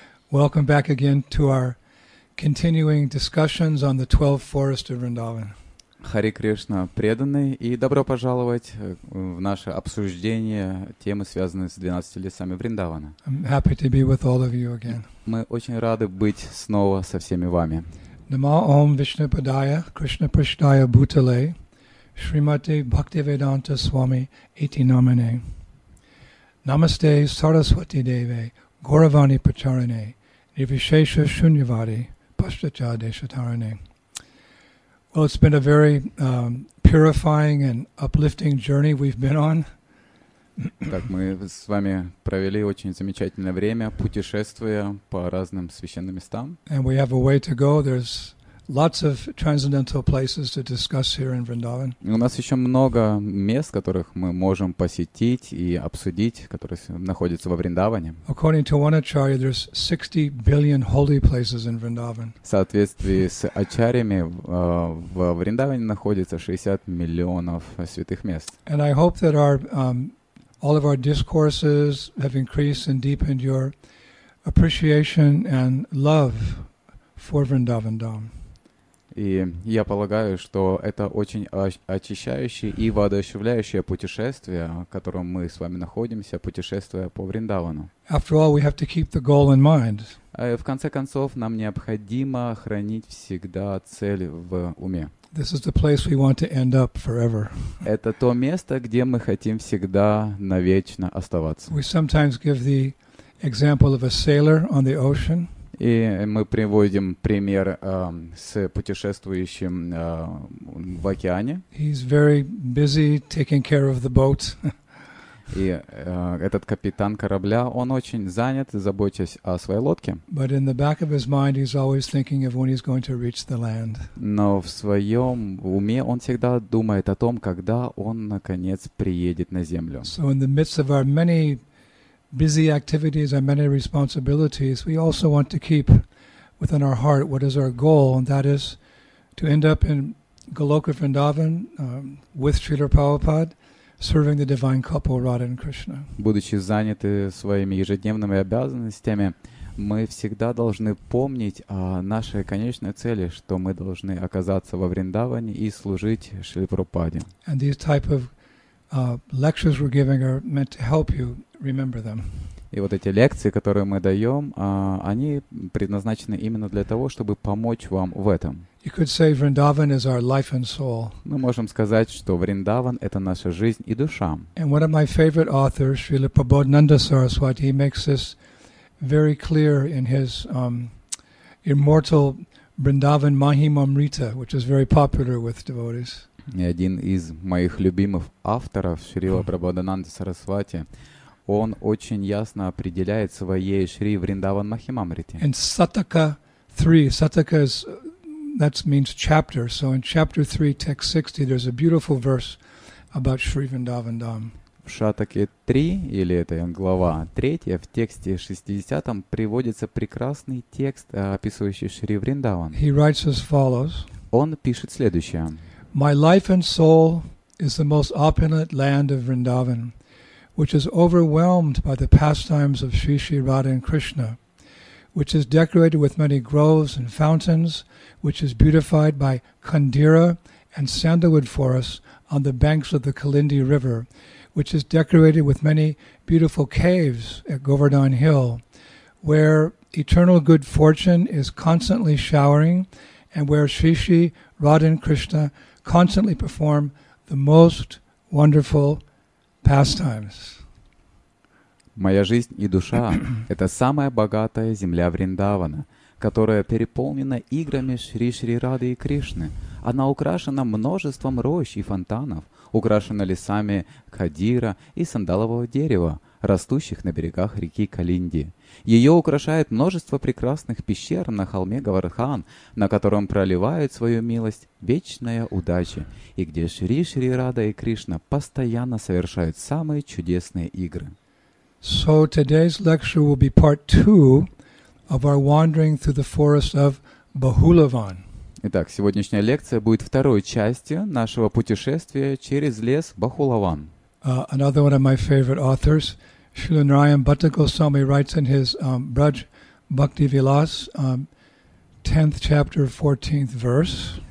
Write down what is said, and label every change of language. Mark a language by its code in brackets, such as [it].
[en] Welcome back again to our continuing discussions on the 12 forests of Vrindavan. [ru] Hare Krishna, преданные, и добро пожаловать в наше обсуждение темы, связанной с 12 лесами Вриндавана. [en] I'm happy to be with all of you again. [ru] Мы очень рады быть снова со всеми вами. [sa] Нама Ом Вишнупадая Кришна Прасадая Бутале Шримати Бхактивиданта Свами Ити Намине. Намасте Сарасвати Деве Гуравани Пачаране Нивишеша Шуньявади Пашча Дешатаране. [en] Well, it's been a very purifying and uplifting journey we've been on. [ru] Так, мы с вами провели очень замечательное время, путешествуя по разным священным местам. [en] And we have a way to go. There's lots of transcendental places to discuss here in Vrindavan. [ru] У нас еще много мест, которых мы можем посетить и обсудить, которые находятся во Вриндаване. [en] According to one acharya, there's 60 billion holy places in Vrindavan. [ru] В соответствии с ачарьями, во Вриндаване находится 60 миллионов святых мест. [en] And I hope that all of our discourses have increased and deepened your appreciation and love for Vrindavan Dham. [ru] И я полагаю, что это очень очищающее и воодушевляющее путешествие, в котором мы с вами находимся, путешествие по Вриндавану. [en] After all, we have to keep the goal in mind. [ru] В конце концов, нам необходимо хранить всегда цель в уме. [en] This is the place we want to end up forever. [ru] Это то место, где мы хотим всегда навечно оставаться. [en] We sometimes give the example of a sailor on the ocean. [ru] И мы приводим пример с путешествующим в океане. [en] He's very busy taking care of the boat. [ru] И этот капитан корабля, он очень занят, заботясь о своей лодке. [en] But in the back of his mind, he's always thinking of when he's going to reach the land. [ru] Но в своем уме он всегда думает о том, когда он наконец приедет на землю. [en] So in the midst of our many busy activities and many responsibilities, we also want to keep within our heart what is our goal, and that is to end up in Goloka Vrindavan with Srila Prabhupada, serving the divine couple Radha and Krishna. [ru] Будучи заняты своими ежедневными обязанностями, мы всегда должны помнить о нашей конечной цели, что мы должны оказаться во Вриндаване и служить Шриле Прабхупаде. [en] And these type of lectures we're giving are meant to help you remember them. [ru] И вот эти лекции, которые мы даем, они предназначены именно для того, чтобы помочь вам в этом. [en] You could say Vrindavan is our life and soul. [ru] Мы можем сказать, что Вриндаван — это наша жизнь и душа. [en] And one of my favorite authors, Srila Prabodhananda Saraswati, he makes this very clear in his immortal Vrindavan Mahimamrita, which is very popular with devotees. [ru] И один из моих любимых авторов, Шрила Прабхадананда Сарасвати, он очень ясно определяет своей Шри Вриндаван Махимамрити. [en] In Sataka 3, Sataka is, that means chapter, so in chapter 3, text 60, there's a beautiful verse about Shri Vrindavan Dham. [ru] В Шатаке 3, или это глава 3, в тексте 60-м приводится прекрасный текст, описывающий Шри Вриндаван. [en] He writes as follows. [ru] Он пишет следующее. [en] My life and soul is the most opulent land of Vrindavan, which is overwhelmed by the pastimes of Sri Sri Radha and Krishna, which is decorated with many groves and fountains, which is beautified by Kandira and sandalwood forests on the banks of the Kalindi River, which is decorated with many beautiful caves at Govardhan Hill, where eternal good fortune is constantly showering, and where Sri Sri Radha and Krishna constantly perform the most wonderful pastimes. [ru] Моя жизнь и душа — это самая богатая земля Вриндавана, которая переполнена играми Шри Шри Рады и Кришны. Она украшена множеством рощ и фонтанов, украшена лесами Кадира и сандалового дерева, растущих на берегах реки Калинди. Ее украшает множество прекрасных пещер на холме Говардхан, на котором проливает свою милость вечная удача, и где Шри Шри Рада и Кришна постоянно совершают самые чудесные игры. [en] So today's lecture will be part two of our wandering through the forest of Bahulavan. [ru] Итак, сегодняшняя лекция будет второй частью нашего путешествия через лес Бахулаван. [en] Another one of my favorite authors, Srila Narayan Bhatta Goswami, writes in his Braj Bhakti Vilas, 10th chapter, 14th verse.